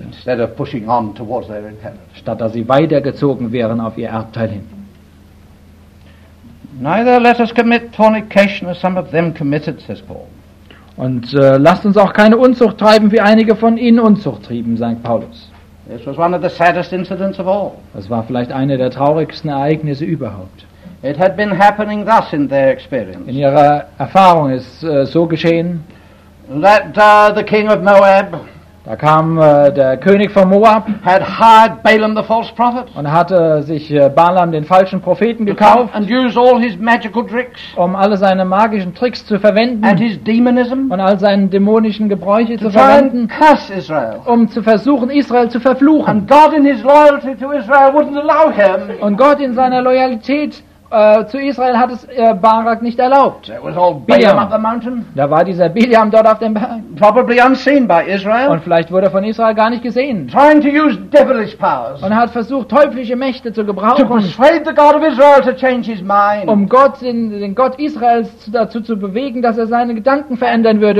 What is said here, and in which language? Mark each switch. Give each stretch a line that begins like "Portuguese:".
English: Instead of pushing on towards their inheritance.
German: Statt dass sie weitergezogen wären auf ihr Erbteil hin.
English: Neither let us commit fornication as some of them committed, says Paul.
German: Und lasst uns auch keine Unzucht treiben, wie einige von ihnen Unzucht trieben, sagt Paulus.
English: This was one of the saddest incidents of all.
German: Das war vielleicht eine der traurigsten Ereignisse überhaupt.
English: It had been happening thus in their experience.
German: In ihrer Erfahrung ist so geschehen.
English: That the king of Moab.
German: Da kam der König von Moab.
English: Had hired Balaam the false prophet.
German: Und hatte sich Balaam den falschen Propheten gekauft.
English: And use all his magical tricks.
German: Um alle seine magischen Tricks zu verwenden.
English: And his demonism.
German: Und all seinen dämonischen Gebräuche
English: to
German: zu verwenden.
English: Try and curse Israel.
German: Um zu versuchen Israel zu verfluchen.
English: And God in his loyalty to Israel wouldn't allow him.
German: Und Gott in seiner Loyalität zu Israel hat es Barak nicht erlaubt.
English: It was all Balaam up the mountain.
German: Da war dieser Balaam dort auf dem Berg.
English: Probably unseen by Israel.
German: Und vielleicht wurde er von Israel gar nicht gesehen.
English: Trying to use devilish powers.
German: Und hat versucht, teuflische Mächte zu gebrauchen.
English: To persuade the God of Israel to change his mind.
German: Um Gott, den Gott Israels dazu zu bewegen, dass er seine Gedanken verändern würde